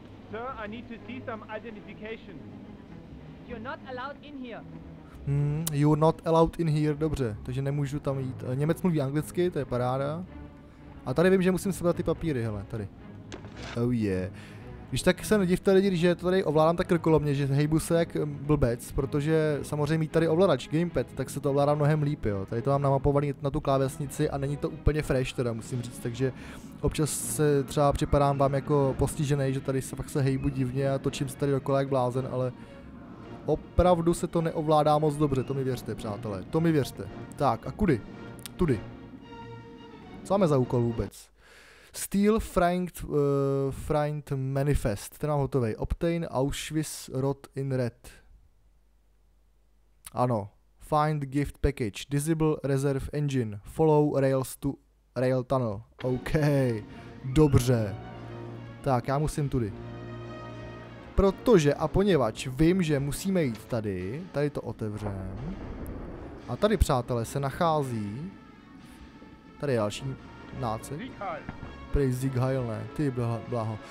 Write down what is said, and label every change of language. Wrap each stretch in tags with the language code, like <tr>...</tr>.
<en>Sir, I need to see some identification. You're not allowed in here. You're not allowed in here,</en> <cs>dobře. Takže nemůžu tam jít. Němec mluví anglicky, to je paráda. A tady vím, že musím sebrat ty papíry, hele, tady.</cs> <en>Oh yeah.</en> <cs>Když tak se nedivte lidi, že to tady ovládám tak krkolomně, že hejbu se jak blbec, protože samozřejmě mít tady ovladač, gamepad, tak se to ovládá mnohem líp, jo. Tady to mám namapovaný na tu klávesnici a není to úplně fresh teda, musím říct, takže občas se třeba připadám vám jako postižený, že tady se fakt se hejbu divně a točím se tady dokola jak blázen, ale opravdu se to neovládá moc dobře, to mi věřte, přátelé, to mi věřte. Tak, a kudy? Tudy. Co máme za úkol vůbec?</cs> <en>Steel Freind Manifest,</en> <cs>ten mám hotovej.</cs> <en>Obtain Auschwitz Rot in Red. Ano. Find Gift Package. Disable Reserve Engine. Follow Rails to Rail Tunnel.</en> <cs>OK. Dobře. Tak, já musím tudy. Protože a poněvadž vím, že musíme jít tady. Tady to otevřem. A tady, přátelé, se nachází. Tady je další nácek. Prej</cs> <de>Sieg Heil,</de> <cs>ne, ty bláho.</cs>